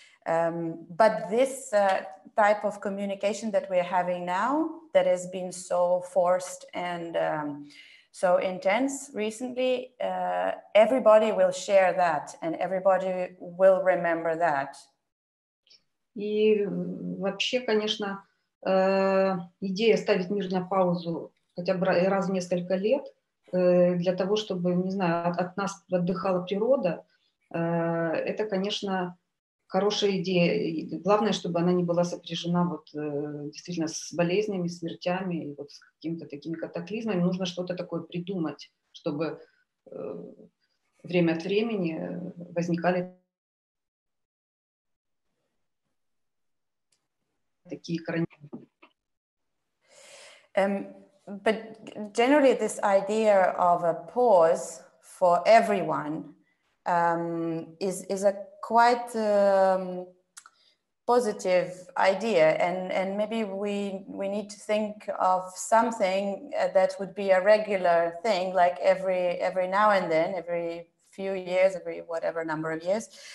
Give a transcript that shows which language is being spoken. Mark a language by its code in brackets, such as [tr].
[en] But this type of communication that we're having now, that has been so forced and so intense recently, everybody will share that, and everybody will remember that. [ru] И вообще, конечно, идея ставить мир на паузу хотя бы раз в несколько лет для того, чтобы, не знаю, от нас отдыхала природа, это, конечно, хорошая идея. И главное, чтобы она не была сопряжена вот, действительно с болезнями, смертями, и вот с какими-то такими катаклизмами. Нужно что-то такое придумать, чтобы время от времени возникали такие карантины. [en] But generally this idea of a pause for everyone is a quite positive idea, and maybe we need to think of something that would be a regular thing, like every now and then, every few years, every whatever number of years,